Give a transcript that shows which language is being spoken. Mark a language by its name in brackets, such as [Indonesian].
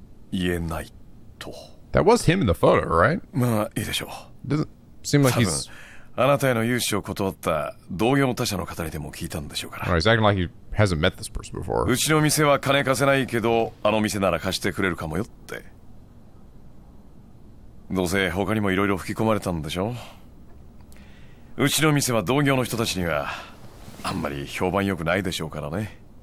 [Japanese] 言えないと。 [English] That was him in the photo, right? [Japanese] まあいいでしょう。 [English] Doesn't seem like he's. [Japanese] 多分あなたへの融資を断った同業の他社の方にでも聞いたんでしょうから。 [English] Right, he's acting like he hasn't met this person before. [Japanese] うちの店は金貸せないけど、あの店なら貸してくれるかもよって。どうせ他にもいろいろ吹き込まれたんでしょう。うちの店は同業の人たちにはあんまり評判良くないでしょうからね。